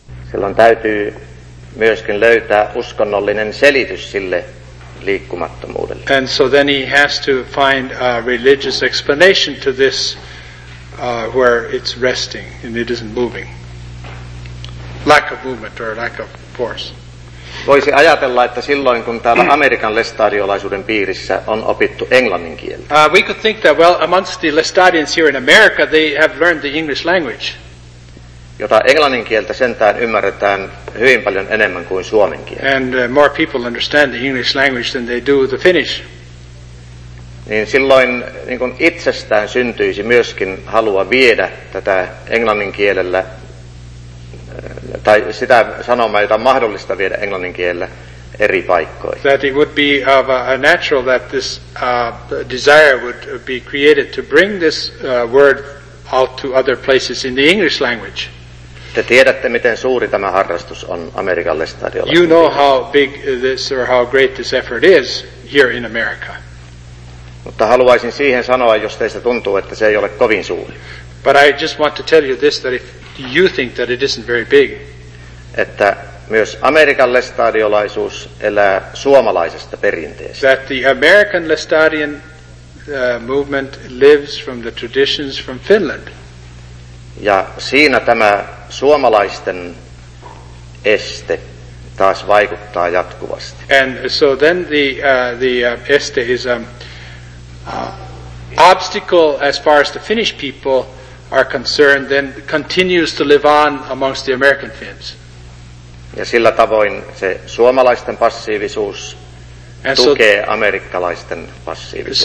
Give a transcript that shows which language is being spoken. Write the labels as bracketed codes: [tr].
[fi] Silloin täytyy myöskin löytää uskonnollinen selitys sille liikkumattomuudelle. [en] And so then he has to find a religious explanation to this where it's resting and it isn't moving. Lack of movement or lack of force. [fi] Voisi ajatella, että silloin kun täällä Amerikan lestadiolaisuuden piirissä on opittu englannin kieltä. [en] We could think that well amongst the lestadians here in America they have learned the English language. [fi] Jota englannin kieltä sentään ymmärretään hyvin paljon enemmän kuin suomen kieltä. [en] And more people understand the English language than they do the Finnish. [fi] Niin silloin niin kuin itsestään syntyisi myöskin halua viedä tätä englannin kielellä tai sitä sanomaa, jota on mahdollista viedä englannin kielellä eri paikkoihin. [en] That it would be of a natural that this desire would be created to bring this word out to other places in the English language. [fi] Te tiedätte, miten suuri tämä harrastus on Amerikan lestadiolaisuudessa. [en] You know how big this or how great this effort is here in America. [fi] Mutta haluaisin siihen sanoa, jos teistä tuntuu, että se ei ole kovin suuri. [en] But I just want to tell you this, that if you think that it isn't very big. [fi] Että myös Amerikan lestadiolaisuus elää suomalaisesta perinteestä. [en] That the American Lestadian movement lives from the traditions from Finland. [fi] Ja siinä tämä suomalaisten este taas vaikuttaa jatkuvasti. [en] And so then the este is an obstacle as far as the Finnish people are concerned, then continues to live on amongst the American Finns. [fi] Ja sillä tavoin se suomalaisten passiivisuus and tukee so, amerikkalaisten passiivisuutta.